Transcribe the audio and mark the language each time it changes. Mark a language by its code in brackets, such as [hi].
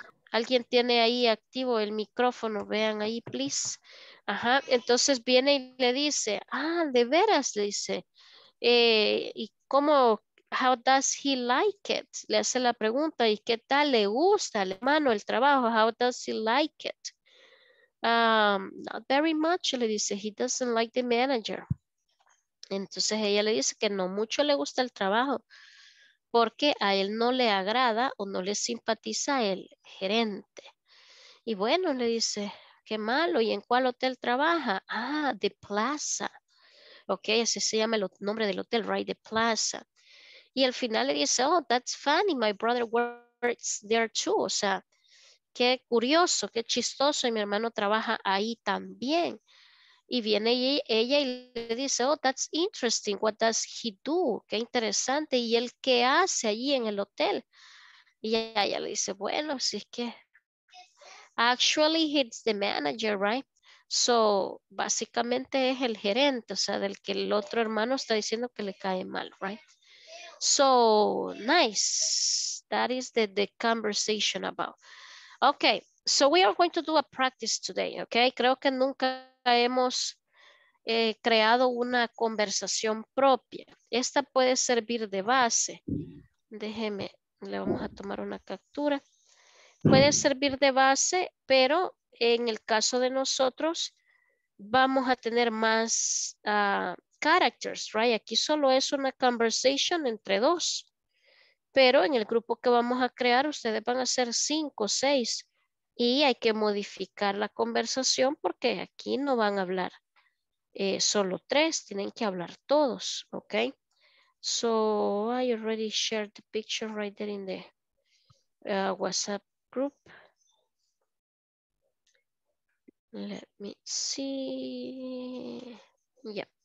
[es] ¿Alguien tiene ahí activo el micrófono? Vean ahí, [en] please. [es] Ajá, entonces viene y le dice, ah, de veras, le dice, ¿y cómo, [en] how does he like it? [es] Le hace la pregunta, ¿y qué tal le gusta al hermano el trabajo? [en] How does he like it? Not very much, [es] le dice, [en] he doesn't like the manager. [es] Entonces ella le dice que no mucho le gusta el trabajo, porque a él no le agrada o no le simpatiza el gerente. Y bueno, le dice, qué malo, ¿y en cuál hotel trabaja? Ah, The Plaza. Ok, así se llama el nombre del hotel, right? The Plaza. Y al final le dice, [en] oh, that's funny, my brother works there too. [es] O sea, qué curioso, qué chistoso, y mi hermano trabaja ahí también. Y viene ella y le dice, [en] oh, that's interesting, what does he do? [es] Qué interesante, ¿y él qué hace allí en el hotel? Y ella le dice, bueno, si es que... [en] Actually, he's the manager, right? So, [es] básicamente es el gerente, o sea, del que el otro hermano está diciendo que le cae mal, right? [en] So, nice. That is the conversation about. Okay, so we are going to do a practice today, okay? [es] Creo que nunca hemos creado una conversación propia. Esta puede servir de base. Déjeme, le vamos a tomar una captura. Puede servir de base, pero en el caso de nosotros vamos a tener más characters, right? Aquí solo es una conversation entre dos, pero en el grupo que vamos a crear ustedes van a ser 5 o 6 y hay que modificar la conversación porque aquí no van a hablar solo 3, tienen que hablar todos, ¿ok? [en] So I already shared the picture right there in the WhatsApp. Group. Let me see. Yeah.